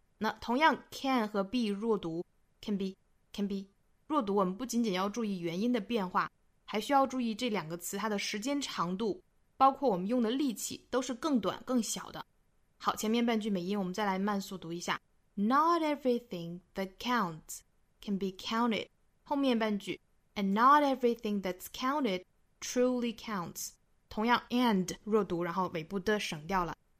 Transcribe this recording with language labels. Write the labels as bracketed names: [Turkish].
[Chinese] 那同样 can 和 be 弱读， can be, can be 弱读，我们不仅仅要注意元音的变化，还需要注意这两个词它的时间长度，包括我们用的力气都是更短更小的。好，前面半句美音我们再来慢速读一下。 [English] Not everything that counts can be counted。 [Chinese] 后面半句 [English] And not everything that's counted truly counts。 [Chinese] 同样 and 弱读，然后尾部的省掉了。